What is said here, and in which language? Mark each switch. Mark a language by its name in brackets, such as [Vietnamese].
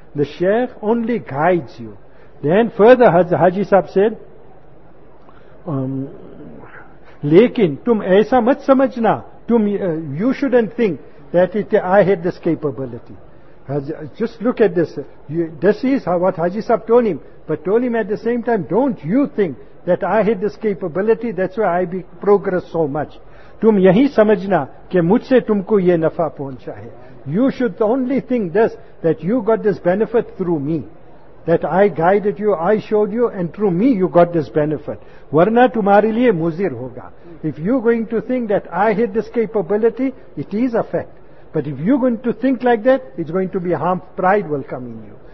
[English] The sheikh only guides you. Then further, Haji Sahib said, [Urdu] لیکن تم ایسا مت سمجھنا, [English] you shouldn't think that I had this capability. Just look at this. This is what Haji Sahib told him. But told him at the same time, don't you think that I had this capability, that's why I progress so much. [Urdu] تم یہی سمجھنا کہ مجھ سے تم کو یہ نفع پہنچا ہے. [English] You should only think this, that you got this benefit through me. That I guided you, I showed you, and through me you got this benefit. [Urdu] Varna tumhare liye muzir hoga. [English] If you're going to think that I had this capability, it is a fact. But if you're going to think like that, it's going to be harm. Pride will come in you.